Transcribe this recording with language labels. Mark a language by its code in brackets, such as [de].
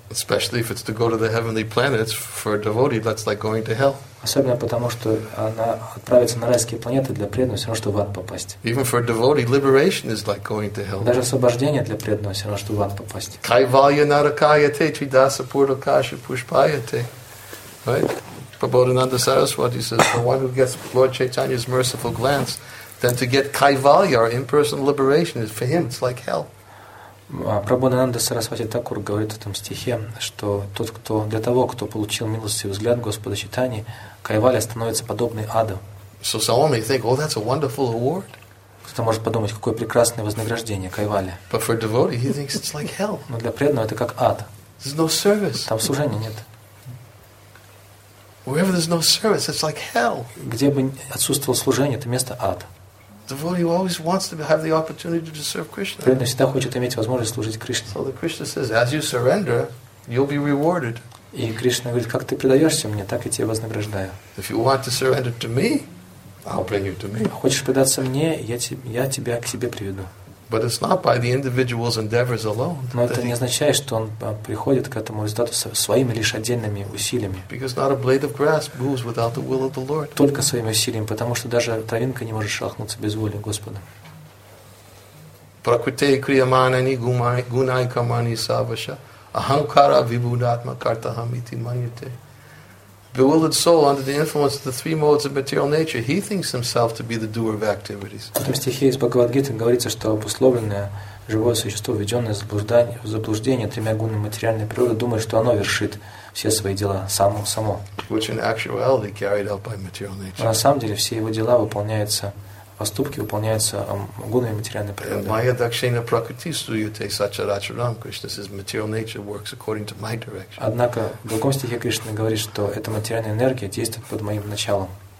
[en] Especially if it's to go to the heavenly planets for a devotee, that's like going to hell. [ru] Особенно потому, что она отправится на райские планеты для преданного, все равно что в ад попасть. [en] Even for a devotee, liberation is like going to hell. [ru] Даже освобождение для преданного, все равно что в ад попасть. [sa] Кайвалья наракаяте, твидаса пурлакаши пушпаяте. [en] Right? Прабодхананда Сарасвати says, the one who gets Lord Chaitanya's merciful glance, then to get Kaivalya, or impersonal liberation, is for him, it's like hell. [ru] Прабхунананда Сарасвати Такур говорит в этом стихе, что тот, кто для того, кто получил милостивый взгляд Господа Читани, Кайвалья становится подобной аду. [en] So someone may think, oh, that's a wonderful award. [ru] Кто-то может подумать, какое прекрасное вознаграждение Кайвалья. [en] But for a devotee, he thinks it's like hell. [ru] Но для преданного это как ад. [en] There's no service. [ru] Там служения нет. [en] Wherever there's no service, it's like hell. [ru] Где бы отсутствовало служение, это место ад. [en] Devotee always wants to have the opportunity to serve Krishna. [ru] Преданный всегда хочет иметь возможность служить Кришне. [en] So the Krishna says, as you surrender, you'll be rewarded. [ru] И Кришна говорит, как ты предаешься мне, так и тебя вознаграждаю. [en] If you want to surrender to me, I'll bring you to me. [ru] Хочешь предаться мне, я тебя к себе приведу. [en] But it's not by the individual's endeavors alone. [ru] Но это не означает, что он приходит к этому результату своими лишь отдельными усилиями. [en] Because not a blade of grass moves without the will of the Lord. [ru] Только своими усилиями, потому что даже травинка не может шелохнуться без воли Господа. [sa] Пракрите криаманани гунай камани саваша аханкара вибудатма картахам ити маньяте. [en] Bewildered soul under the influence of the three modes of material nature, he thinks himself to be the doer of activities. [ru] В этом стихе из Бхагавад-гиты говорится, что обусловленное живое существо, введенное в заблуждение тремя гунами материальной природы, думает, что оно вершит все свои дела само. [en] Which in actuality carried out by material nature. [ru] На самом деле все его дела выполняются, поступки выполняются гунами материальной природы. [sa] Майя дакшена пракрити суюте сачарачарам. [en] Krishna says material nature works according to my direction. [ru] Однако в другом стихе Кришна говорит, что эта материальная энергия действует под моим началом.